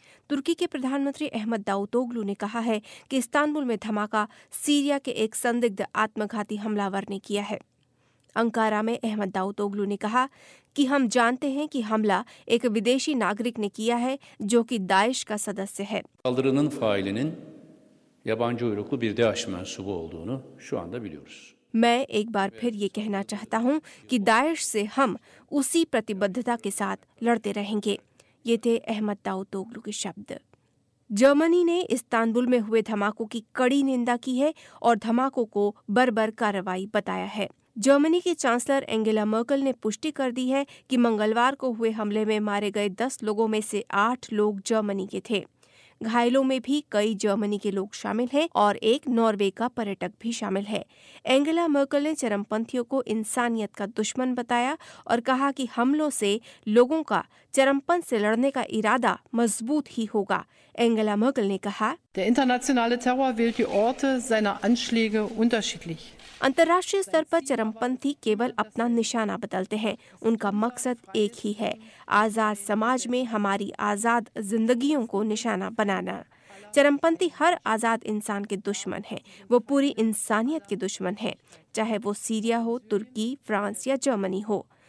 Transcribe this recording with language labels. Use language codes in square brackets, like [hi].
[hi] तुर्की के प्रधानमंत्री अहमद दाऊतोग्लू ने कहा है कि इस्तांबुल में धमाका सीरिया के एक संदिग्ध आत्मघाती हमलावर ने किया है। अंकारा में अहमद दाऊतोग्लू ने कहा कि हम जानते हैं कि हमला एक विदेशी नागरिक ने किया है जो कि दाएश का सदस्य है। [tr] Saldırının failinin yabancı uyruklu bir DEAŞ mensubu olduğunu şu anda biliyoruz. [hi] मैं एक बार फिर ये कहना चाहता हूँ कि दाएश से हम उसी प्रतिबद्धता के साथ लड़ते रहेंगे। ये थे अहमद दाऊतोग्लू के शब्द। जर्मनी ने इस्तांबुल में हुए धमाकों की कड़ी निंदा की है और धमाकों को बर्बर कार्रवाई बताया है। जर्मनी के चांसलर एंगेला मर्कल ने पुष्टि कर दी है कि मंगलवार को हुए हमले में मारे गए 10 लोगों में से 8 लोग जर्मनी के थे। घायलों में भी कई जर्मनी के लोग शामिल हैं और एक नॉर्वे का पर्यटक भी शामिल है। एंगेला मर्कल ने चरमपंथियों को इंसानियत का दुश्मन बताया और कहा कि हमलों से लोगों का चरमपंथ से लड़ने का इरादा मजबूत ही होगा। एंगेला मर्कल ने कहा, [de] Der internationale Terror wählt die Orte seiner Anschläge unterschiedlich. [hi] अंतर्राष्ट्रीय स्तर पर चरमपंथी केवल अपना निशाना बदलते हैं। उनका मकसद एक ही है, आजाद समाज में हमारी आजाद जिंदगियों को निशाना बनाना। चरमपंथी हर आजाद इंसान के दुश्मन हैं, वो पूरी इंसानियत के दुश्मन हैं, चाहे वो सीरिया हो, तुर्की, फ्रांस या जर्मनी हो।